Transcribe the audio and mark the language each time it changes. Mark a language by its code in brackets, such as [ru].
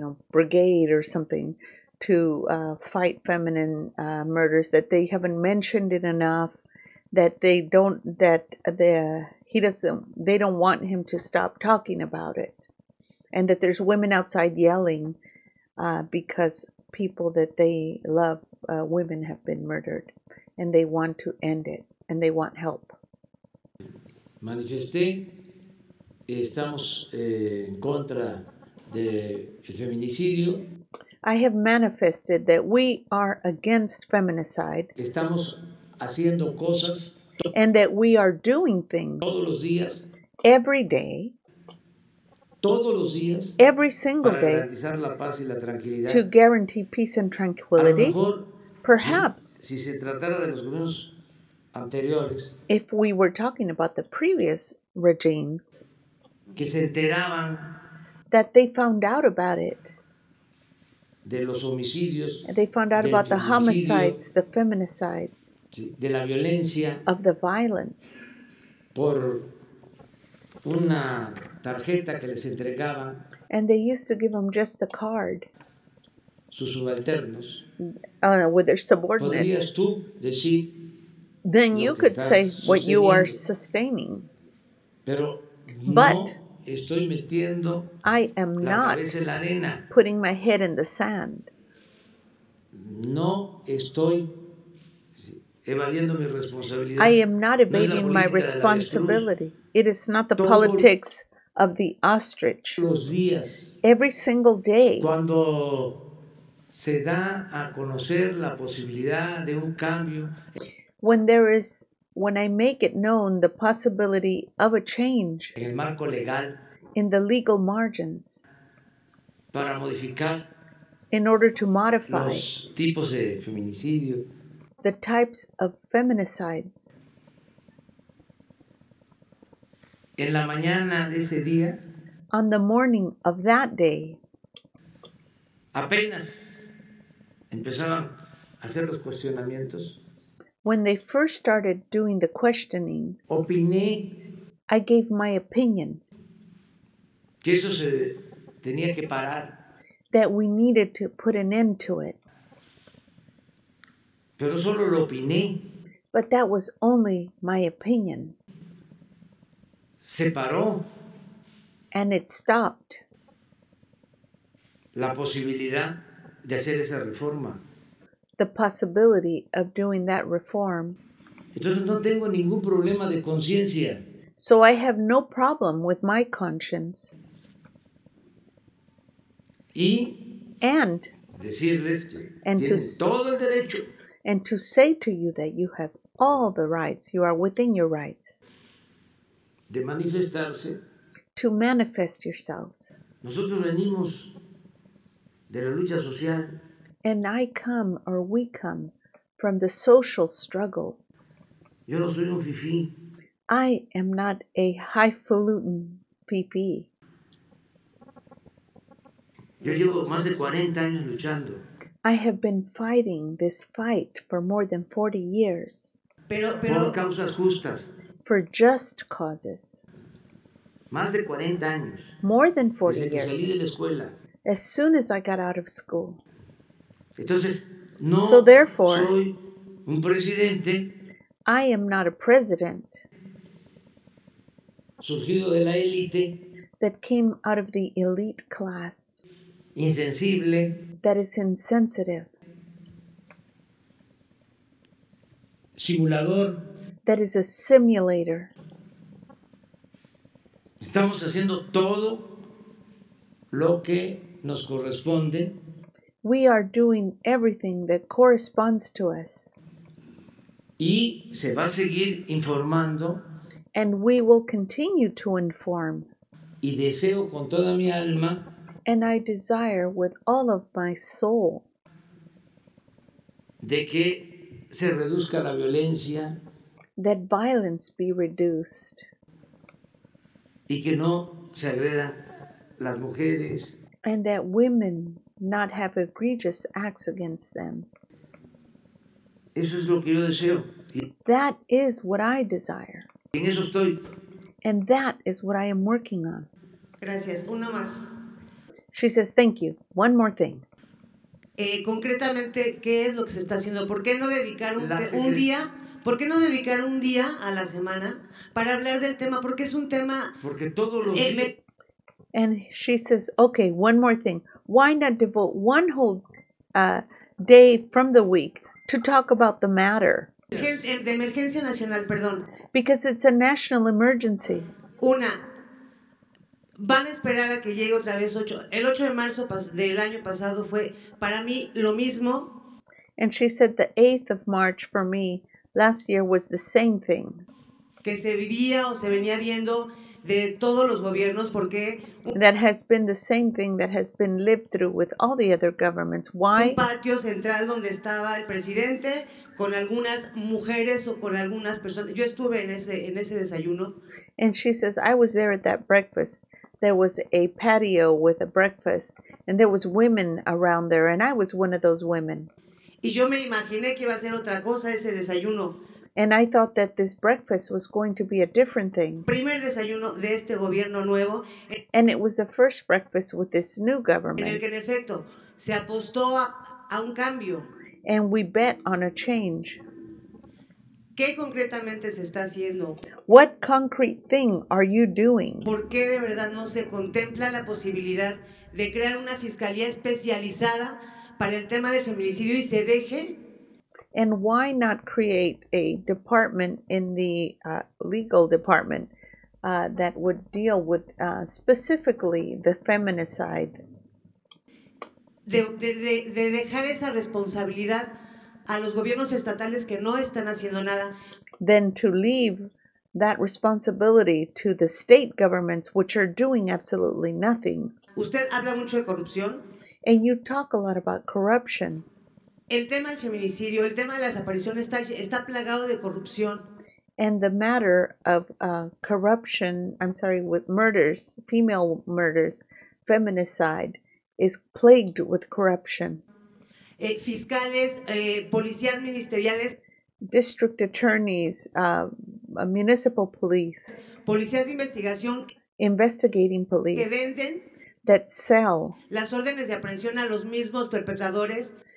[en] brigade or something to fight feminine murders, that they haven't mentioned it enough, that they don't, that the he doesn't, they don't want him to stop talking about it, and that there's women outside yelling because people that they love, women, have been murdered, and they want to end it, and they want help. [es] Manifesté, estamos en contra de el feminicidio. [en] I have manifested that we are against feminicide. [es] Estamos haciendo cosas. [en] And that we are doing things. [es] Todos los días. [en] Every day. [es] Todos los días. [en] Every single day. [es] Para garantizar la paz y la tranquilidad. [en] To guarantee peace and tranquility. [es] A lo mejor, [en] perhaps. [es] Si se tratara de los gobiernos anteriores. [en] If we were talking about the previous regimes. [es] Que se enteraban. [en] That they found out about it. [es] De los homicidios. [en] They found out about the homicides, the feminicides. [es] De la violencia. [en] Of the violence. [es] Por una tarjeta que les entregaban. [en] And they used to give them just the card. [es] Sus subalternos. [en] With their subordinates. [es] Podrías tú decir. [en] Then you could say what you are sustaining. [es] Pero [en] but. [es] No estoy metiendo [en] I am [es] la [en] not [es] cabeza en la arena. [en] Putting my head in the sand. [es] No estoy evadiendo mi responsabilidad. [en] I am not evading [es] no [en] my responsibility. It is not the politics of the ostrich. [es] Los días, [en] every single day. [es] Cuando se da a conocer la posibilidad de un cambio. [en] when I make it known the possibility of a change [es] en el marco legal, [en] in the legal margins, [es] para modificar [en] in order to modify [es] los tipos de feminicidio, [en] the types of feminicides. [es] En la mañana de ese día, [en] on the morning of that day, [es] apenas empezaban a hacer los cuestionamientos, [en] when they first started doing the questioning, [es] opiné, [en] I gave my opinion, [es] que eso se tenía que parar, [en] that we needed to put an end to it. [es] Pero solo lo opiné. [en] But that was only my opinion. [es] Se paró. [en] And it stopped. [es] La posibilidad de hacer esa reforma. [en] The possibility of doing that reform. [es] Entonces no tengo ningún problema de conciencia. [en] So I have no problem with my conscience. [es] Y [en] and [es] decirles que tienen todo el derecho. [en] And to say to you that you have all the rights, you are within your rights. [es] De manifestarse. [en] To manifest yourselves. [es] Nosotros venimos de la lucha social. [en] And I come, or we come, from the social struggle. [es] Yo no soy un fifí. [en] I am not a highfalutin fifí. [es] Yo llevo más de 40 años luchando. [en] I have been fighting this fight for more than 40 years. [es] Pero, por causas justas. [en] For just causes. [es] Más de 40 años. [en] More than 40 [es] desde [en] years. [es] Que salí de la escuela. [en] As soon as I got out of school. [es] Entonces, no [en] so therefore, [es] soy un presidente. [en] I am not a president. [es] Surgido de la élite. [en] That came out of the elite class. [es] Insensible. [en] That it's insensitive. [es] Simulador. [en] That is a simulator. [es] Estamos haciendo todo lo que nos corresponde. [en] We are doing everything that corresponds to us. [es] Y se va a seguir informando. [en] And we will continue to inform. [es] Y deseo con toda mi alma. [en] And I desire with all of my soul [es] de que se reduzca la violencia, [en] that violence be reduced, [es] y que no se agredan las mujeres, [en] and that women not have egregious acts against them. [es] Eso es lo que yo deseo. [en] That is what I desire. [es] En eso estoy. [en] And that is what I am working on. [es] Gracias. Una más. [en] She says, thank you. One more thing. [es] Concretamente, ¿qué es lo que se está haciendo? ¿Por qué no dedicar un día? ¿Por qué no dedicar un día a la semana para hablar del tema? Porque es un tema... Porque todo lo... [en] And she says, okay, one more thing. Why not devote one whole day from the week to talk about the matter? [es] De emergencia nacional, perdón. [en] Because it's a national emergency. [es] Una... Van a esperar a que llegue otra vez 8. El 8 de marzo del año pasado fue para mí lo mismo. [en] And she said the 8th of March for me last year was the same thing. [es] Que se vivía o se venía viendo de todos los gobiernos porque... [en] That has been the same thing that has been lived through with all the other governments. Why? [es] Un patio central donde estaba el presidente con algunas mujeres o con algunas personas. Yo estuve en ese desayuno. [en] And she says, I was there at that breakfast. There was a patio with a breakfast, and there was women around there, and I was one of those women. [es] Y yo me imaginé que iba a ser otra cosa ese desayuno. [en] And I thought that this breakfast was going to be a different thing. [es] Primer desayuno de este gobierno nuevo. [en] And it was the first breakfast with this new government. [es] En el que en efecto se apostó a un cambio. [en] And we bet on a change. [es] ¿Qué concretamente se está haciendo? [en] What concrete thing are you doing? [es] ¿Por qué de verdad no se contempla la posibilidad de crear una fiscalía especializada para el tema del feminicidio y se deje? [en] And why not create a department in the legal department that would deal with specifically the feminicide? [es] De dejar esa responsabilidad a los gobiernos estatales que no están haciendo nada. [en] Then to leave that responsibility to the state governments, which are doing absolutely nothing. [es] Usted habla mucho de corrupción. [en] And you talk a lot about corruption. [es] El tema del feminicidio, el tema de la desaparición está plagado de corrupción. [en] And the matter of with murders, female murders, feminicide, is plagued with corruption. [es] Fiscales, policías ministeriales, [en] district attorneys, municipal police, [es] policías de investigación, [en] investigating police, [es] que venden, [en] that sell, [es] las órdenes de aprehensión a los mismos perpetradores,